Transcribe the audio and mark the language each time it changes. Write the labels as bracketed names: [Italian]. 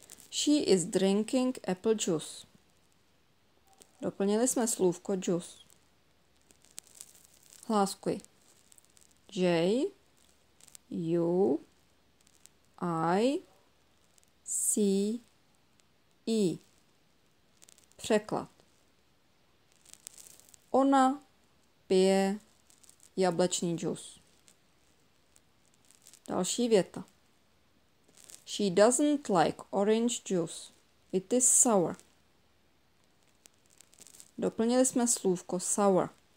[English] She is drinking apple juice. [Czech] Doplnili jsme slůvko juice. Hláskuji. J, U, I, C, E. Překlad. Ona pije jablečný džus. Další věta. [English] She doesn't like orange juice. It is sour. [Czech] Doplnili jsme slůvko sour.